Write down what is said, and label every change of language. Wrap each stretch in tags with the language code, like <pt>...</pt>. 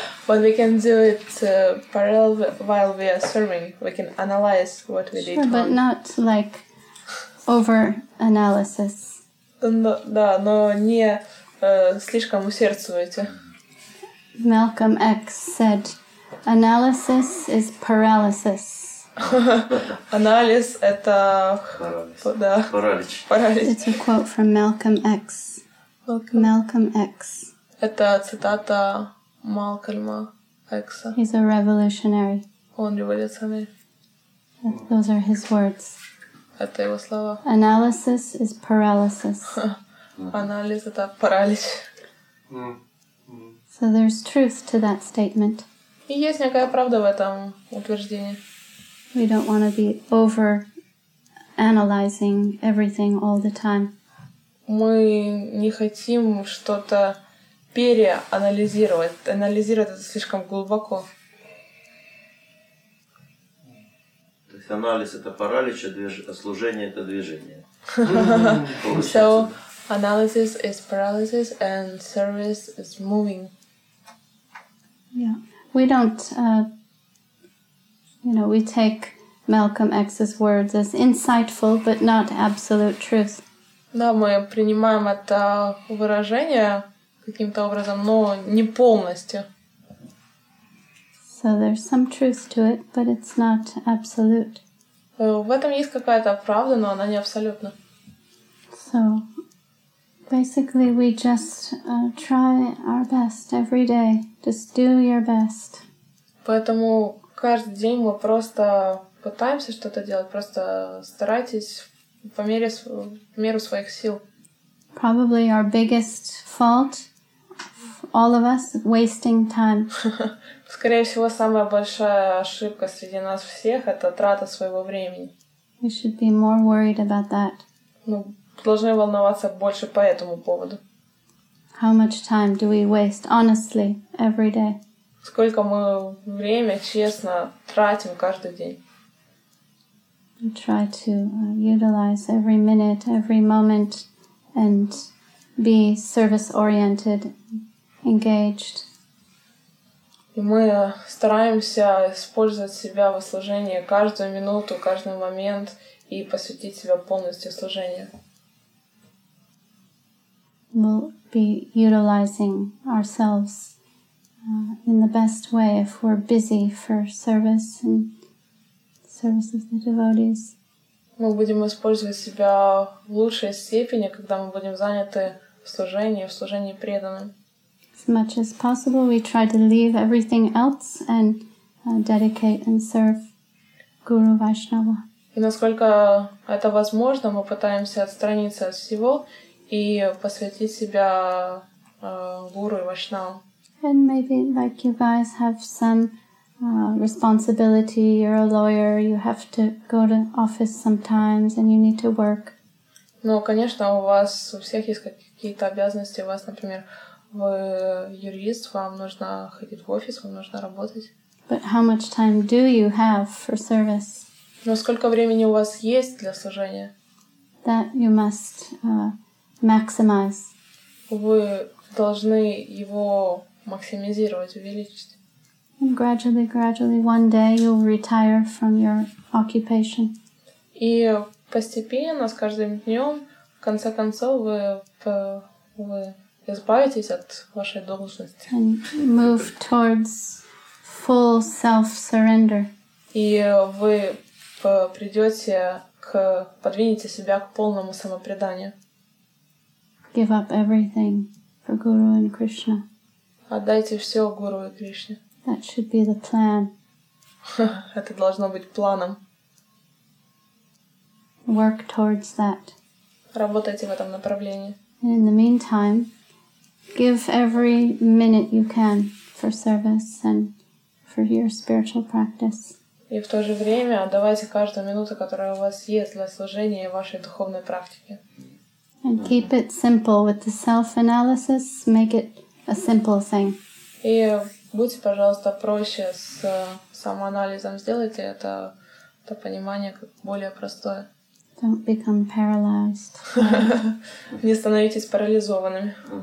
<en>But we can do it parallel while we are serving. We can analyze what we did. Sure, but not like over analysis.</en> <ru>Да, но не слишком усердствуйте.</ru> <en>Malcolm X said, "Analysis is paralysis."</en> <ru>Анализ это да. Паралич.</ru> <en>It's a quote from Malcolm X. Welcome. Malcolm X.</en> <ru>Это цитата Малкольма Экса.</ru> <en>He's a revolutionary.</en> <ru>Он революционер.</ru> <en>Those are his words.</en> <ru>Это его слова.</ru> <en>Analysis is paralysis.</en> <ru>Анализ это паралич.</ru> <en>So there's truth to that statement.</en> <ru>И есть некая правда в этом утверждении.</ru> <en>We don't want to be over analyzing everything all the time.</en> <ru>Мы не хотим что-то переанализировать. Анализировать это слишком глубоко. То есть анализ это паралич, а служение это движение.</ru> <en>So analysis is paralysis and service is moving. Yeah, we don't, you know, we take Malcolm X's words as insightful, but not absolute truth.</en> <ru>Да, мы принимаем это выражение каким-то образом, но не полностью.</ru> <en>So there's some truth to it, but it's not absolute.</en> <ru>В этом есть какая-то правда, но она не абсолютна.</ru> <en>So basically, we just try our best every day. Just do your best.</en> <ru>Поэтому каждый день мы просто пытаемся что-то делать. Просто старайтесь по мере меру своих сил.</ru> <en>Probably our biggest fault, all of us, wasting time.</en> <ru>Скорее всего, самая большая ошибка среди нас всех — это трата своего времени.</ru> <en>We should be more worried about that.</en> <ru>Должны волноваться больше по этому поводу.</ru> <en>How much time do we waste honestly every day?</en> <ru>Сколько мы время честно тратим каждый день?</ru> <en>We try to utilize every minute, every moment, and be service-oriented, engaged.</en> <ru>И мы стараемся использовать себя во служении каждую минуту, каждый момент и посвятить себя полностью служению.</ru> <en>We'll be utilizing ourselves in the best way if we're busy for service and service of the devotees.</en> <ru>Мы будем использовать себя в лучшей степени, когда мы будем заняты в служении преданным.</ru> <en>As much as possible, we try to leave everything else and dedicate and serve Guru Vaishnava.</en> <ru>И насколько это возможно, мы пытаемся отстраниться от всего и посвятить себя гуру и вайшнавам.</ru> <en>And maybe like you guys have some responsibility, you're a lawyer, you have to go to office sometimes and you need to work.</en> <ru>Ну, конечно, у вас у всех есть какие-то обязанности. У вас, например, вы юрист, вам нужно ходить в офис, вам нужно работать.</ru> <en>But how much time do you have for service?</en> <ru>Но сколько времени у вас есть для служения?</ru> <en>That you must maximize.</en> <ru>Вы должны его максимизировать, увеличить.</ru> <en>And gradually, gradually, one day you'll retire from your occupation.</en> <ru>И постепенно, с каждым днем, в конце концов, вы избавитесь от вашей должности.</ru> <en>And move towards full self-surrender.</en> <ru>И вы придете к подвинете себя к полному самопреданию.</ru> <en>Give up everything for Guru and Krishna.</en> <ru>Отдайте все Гуру и Кришне.</ru> <en>That should be the plan.</en> <ru>Это должно быть планом.</ru> <en>Work towards that.</en> <ru>Работайте в этом направлении.</ru> <en>And in the meantime, give every minute you can for service and for your spiritual practice.</en> <ru>И в то же время отдавайте каждую минуту, которая у вас есть для служения и вашей духовной практики.</ru> <en>And keep it simple with the self-analysis. Make it a simple thing.</en> <ru>И будьте, пожалуйста, проще с самоанализом. Сделайте это понимание более простое.</ru> <en>Don't become paralyzed.</en> <ru>Не становитесь парализованными.</ru>